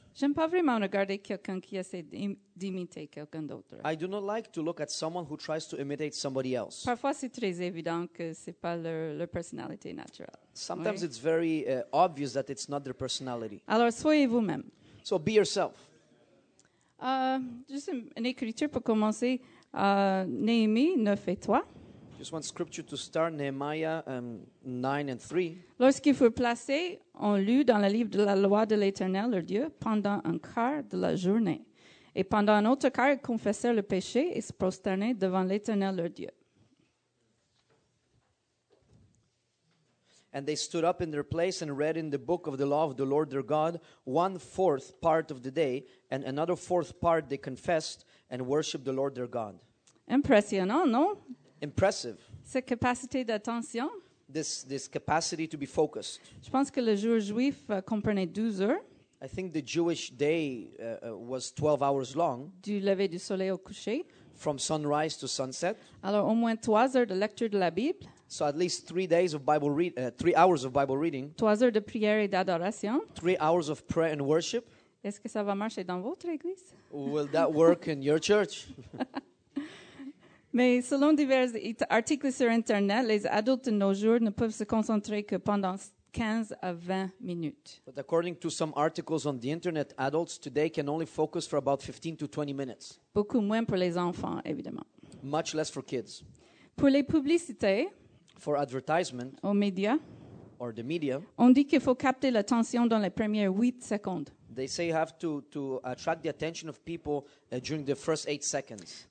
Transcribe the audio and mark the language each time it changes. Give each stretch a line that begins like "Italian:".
French: J'aime pas vraiment regarder quelqu'un qui essaie d'imiter quelqu'un d'autre.
English: I do not like to look at someone who tries to imitate somebody else.
French: Parfois c'est très évident que c'est pas leur personnalité naturelle.
English: Sometimes
French: oui.
English: It's very obvious that it's not their personality.
French: Alors soyez vous-même.
English: So be yourself.
French: Juste une écriture pour commencer. Néhémie 9 et 3.
English: Just one scripture to start, Nehemiah 9 and 3.
French: Lorsqu'ils furent placés, on lut dans le livre de la loi de l'Éternel, leur Dieu, pendant un quart de la journée. Et pendant un autre quart, ils confessèrent le péché et se prosternaient devant l'Éternel, leur Dieu.
English: And they stood up in their place and read in the book of the law of the Lord their God 1/4 part of the day, and another 1/4 part they confessed and worshiped the Lord their God.
French: Impressionnant, non?
English: Impressive.
French: Cette capacité d'attention.
English: This capacity to be focused.
French: Je pense que le jour juif comprenait 12 heures.
English: I think the Jewish day was 12 hours long.
French: Du lever du soleil au coucher.
English: From sunrise to sunset.
French: Alors au moins 3 heures de lecture de la Bible.
English: So at least 3 days of Bible reading, 3 hours of Bible reading.
French: 3 heures de prière et d'adoration.
English: 3 hours of prayer and worship.
French: Est-ce que ça va marcher dans votre église?
English: Will that work in your church?
French: Mais selon divers articles sur Internet, les adultes de nos jours ne peuvent se concentrer que pendant 15 à 20 minutes.
English: But according to some articles on the internet, adults today can only focus for about 15 to 20 minutes.
French: Beaucoup moins pour les enfants, évidemment.
English: Much less for kids.
French: Pour les publicités,
English: for advertisement,
French: aux médias,
English: or the media,
French: on dit qu'il faut capter l'attention dans les premières 8 secondes.
English: They say you have to attract the attention of people during the first 8 seconds.